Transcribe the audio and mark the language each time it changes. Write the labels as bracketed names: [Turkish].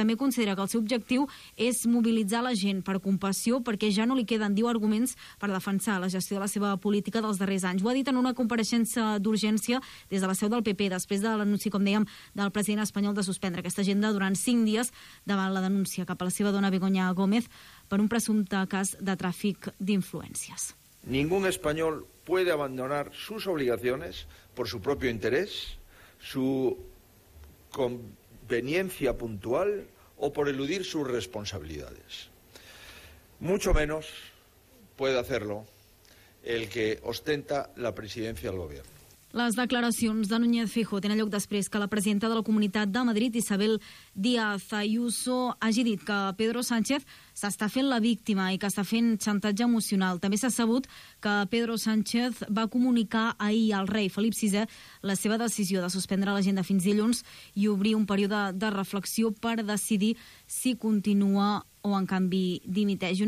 [Catalan] També considera que el seu objectiu és mobilitzar la gent per compassió perquè ja no li queden, diu, arguments per defensar la gestió de la seva política dels darrers anys. Ho ha dit en una compareixença d'urgència des de la seu del PP, després de l'anunci, com dèiem, del president espanyol de suspendre aquesta agenda durant 5 dies davant la denúncia cap a la seva dona Begoña Gómez per un presumpte cas de tràfic d'influències. [Spanish] Ningún español puede abandonar sus obligaciones por su propio interés, su conveniencia puntual o por eludir sus responsabilidades. Mucho menos puede hacerlo el que ostenta la presidencia del gobierno. [Catalan] Les declaracions de Núñez Feijóo tenen lloc després que la presidenta de la Comunitat de Madrid, Isabel Díaz Ayuso, hagi dit que Pedro Sánchez s'està fent la víctima i que està fent xantatge emocional. També s'ha sabut que Pedro Sánchez va comunicar ahir al rei Felip VI la seva decisió de suspendre l'agenda fins dilluns i obrir un període de reflexió per decidir si continua o, en canvi, dimiteix.